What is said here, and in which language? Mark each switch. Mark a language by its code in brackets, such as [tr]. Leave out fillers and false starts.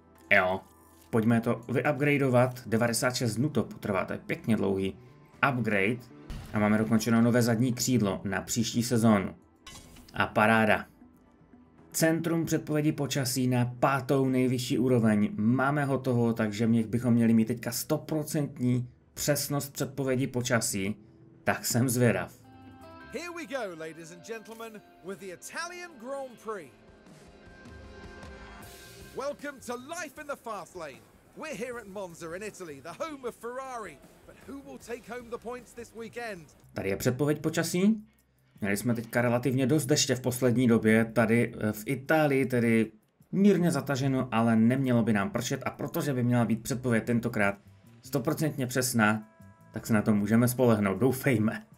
[cs] Jo, pojďme to vyupgradeovat, 96 dnů to potrvá, to je pěkně dlouhý upgrade a máme dokončeno nové zadní křídlo na příští sezónu. A paráda. Centrum předpovědi počasí na pátou nejvyšší úroveň, máme hotovo, takže my bychom měli mít teďka 100% přesnost předpovědi počasí, tak jsem zvědav. [en] Here we go, ladies and gentlemen, with the Italian Grand Prix. Welcome to life in the fast lane. We're here at Monza in Italy, the home of Ferrari. But who will take home the points this weekend? [cs] Tady je předpověď počasí. Měli jsme teďka relativně dost deště v poslední době. Tady v Itálii tedy mírně zataženo, ale nemělo by nám pršet. A protože by měla být předpověď tentokrát 100% přesná, tak se na to můžeme spolehnout, doufejme.